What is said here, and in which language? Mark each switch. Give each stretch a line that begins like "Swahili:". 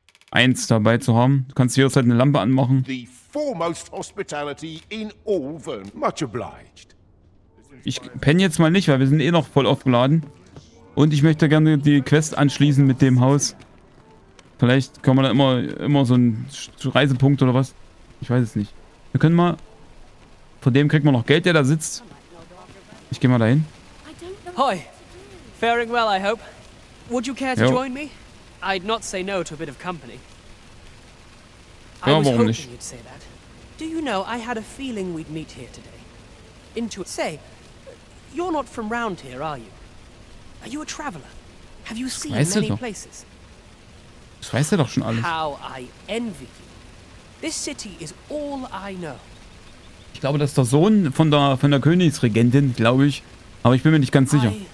German: Eins dabei zu haben. Du kannst hier halt eine Lampe anmachen. Ich penne jetzt mal nicht, weil wir sind eh noch voll aufgeladen. Und ich möchte gerne die Quest anschließen mit dem Haus. Vielleicht können wir da immer so einen Reisepunkt oder was. Ich weiß es nicht. Wir können mal... Von dem kriegt man noch Geld, der da sitzt. Ich gehe mal dahin.
English: Hi. Faring well, I hope. Would you care to join me? I'd not say no to a bit of company.
German: Ja, warum nicht?
English: I was hoping you'd say that. Do you know, I had a feeling we'd meet here today. Say, you're not from round here, are you? Are you a traveler? Have you seen many places?
German: Das weiß er doch schon alles.
English: How I envy you. This city is all I know.
German: Ich glaube, das ist der Sohn von der Königsregentin, glaube ich. Aber ich bin mir nicht ganz sicher.